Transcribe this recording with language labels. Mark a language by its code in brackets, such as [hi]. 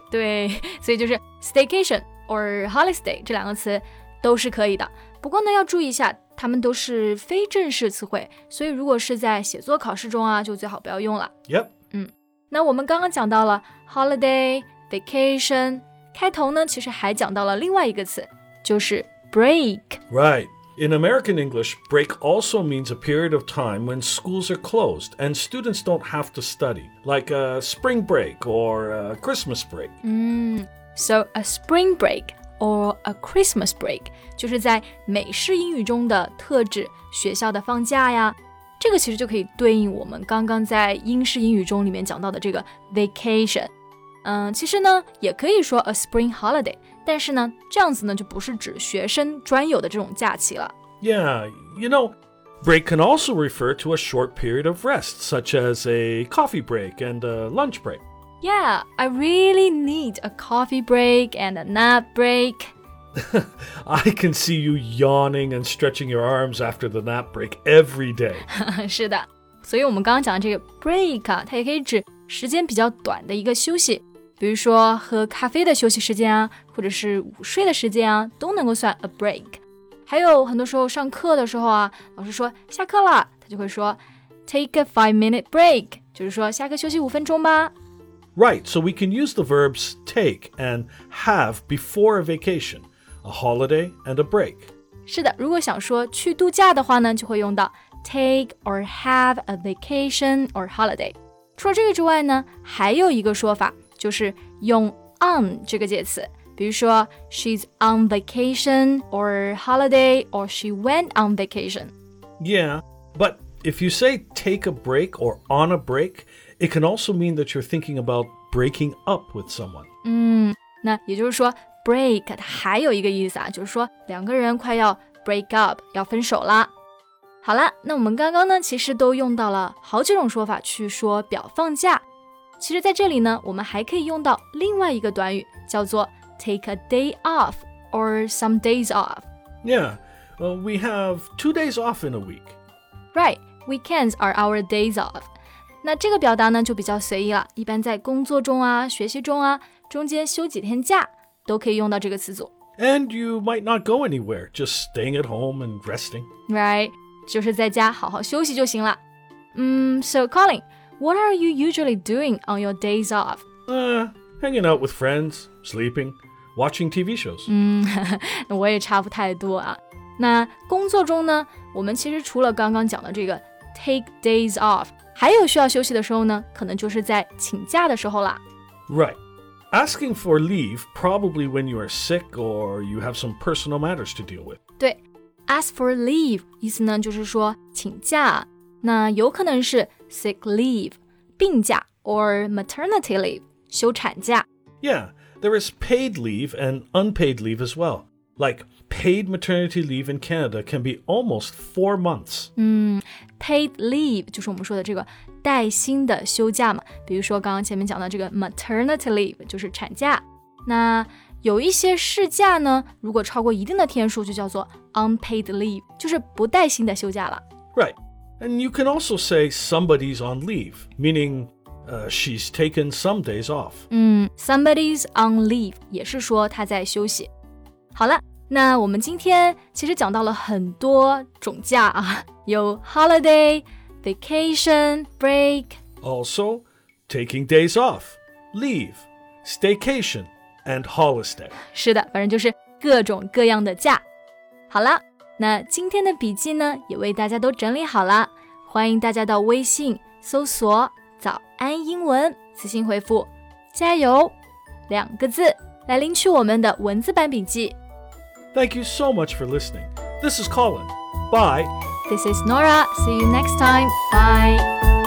[zh] 对，所以就是 [en] staycation or holiday [zh] 这两个词都是可以的。不过呢要注意一下它们都是非正式词汇，所以如果是在写作考试中啊就最好不要用了。 [en] Yep. [zh] 那我们刚刚讲到了 holiday, vacation, 开头呢其实还讲到了另外一个词就是 break. [en] Right. In American English, break also means a period of time when schools are closed and students don't have to study, like a spring break or a Christmas break. So a spring break or a Christmas break [zh] 就是在美式英语中的特指学校的放假呀。这个其实就可以对应我们刚刚在英式英语中里面讲到的这个 vacation。其实呢也可以说 [en] a spring holiday, [zh] 但是呢这样子呢就不是指学生专有的这种假期了。 [en] Yeah, you know, break can also refer to a short period of rest, such as a coffee break and a lunch break. Yeah, I really need a coffee break and a nap break. I can see you yawning and stretching your arms after the nap break every day. [zh] 是的，所以我们刚刚讲的这个 break 啊，它也可以指时间比较短的一个休息。比如说喝咖啡的休息时间啊，或者是午睡的时间啊，都能够算 [en] a break. [zh] 还有很多时候上课的时候啊，老师说下课了，他就会说 [en] take a 5-minute break, [zh] 就是说下课休息五分钟吧。 [en] Right, so we can use the verbs take and have before a vacation, a holiday and a break. [zh] 是的，如果想说去度假的话呢，就会用到 [en] take or have a vacation or holiday. [zh] 除了这个之外呢，还有一个说法就是用 on 这个介词，比如说 [en] she's on vacation or holiday or she went on vacation. Yeah, but if you say take a break or on a break, it can also mean that you're thinking about breaking up with someone. [zh] 那也就是说 break 它还有一个意思啊，就是说两个人快要 [en] break up, [zh] 要分手了。好了，那我们刚刚呢其实都用到了好几种说法去说表放假。其实在这里呢我们还可以用到另外一个短语叫做 [en] take a day off or some days off. Yeah, we have 2 days off in a week. Right, weekends are our days off. [zh] 那这个表达呢就比较随意了，一般在工作中啊学习中啊中间休几天假都可以用到这个词组。 [en] And you might not go anywhere, just staying at home and resting. [zh] Right, 就是在家好好休息就行了。 [en] So Colin,What are you usually doing on your days off? Hanging out with friends, sleeping, watching TV shows. [zh] 我也差不太多啊。那工作中呢，我们其实除了刚刚讲的这个 [en] take days off, [zh] 还有需要休息的时候呢，可能就是在请假的时候啦。 [en] Right. Asking for leave probably when you are sick or you have some personal matters to deal with. [zh] 对 , [en] ask for leave [zh] 意思呢就是说请假。那有可能是 [en] sick leave, [zh] 病假 [en] or maternity leave, [zh] 休产假。 [en] Yeah, there is paid leave and unpaid leave as well. Like, paid maternity leave in Canada can be almost 4 months. Paid leave [zh] 就是我们说的这个带薪的休假嘛。比如说刚刚前面讲的这个 maternity leave, 就是产假。那有一些事假呢如果超过一定的天数就叫做 [en] unpaid leave, [zh] 就是不带薪的休假了。 [en] Right. And you can also say somebody's on leave, meaning she's taken some days off. Somebody's on leave [zh] 也是说他在休息。好了，那我们今天其实讲到了很多种假啊，有 holiday, vacation, break. [en] Also, taking days off, leave, staycation, and holiday. [zh] 是的，反正就是各种各样的假。好了。那今天的笔记呢也为大家都整理好了，欢迎大家到微信搜索早安英文，私信回复加油两个字来领取我们的文字版笔记。 [en] Thank you so much for listening. This is Colin. Bye. This is Nora. See you next time. Bye. This podcast is from Morning English.